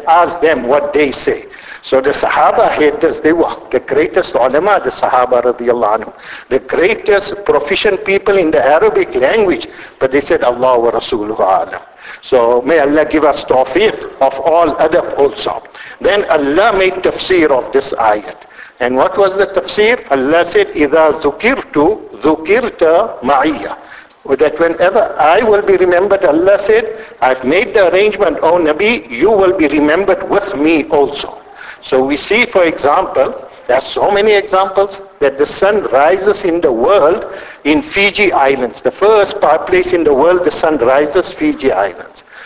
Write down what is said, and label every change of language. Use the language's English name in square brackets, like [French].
[English] Ask them what they say. So the Sahaba haters, they were the greatest ulama, the Sahaba radiallahu anhu. The greatest proficient people in the Arabic language. But they said, Allah wa Rasuluhu alam. So may Allah give us tawfiq of all adab also. Then Allah made tafsir of this ayat. And what was the tafsir? Allah said, [Arabic] إِذَا ذُكِرْتُ ذُكِرْتَ مَعِيَّ. [English] That whenever I will be remembered, Allah said, I've made the arrangement, O Nabi, you will be remembered with me also. So we see, for example, there are so many examples that the sun rises in the world in Fiji Islands. The first place in the world the sun rises, Fiji Islands.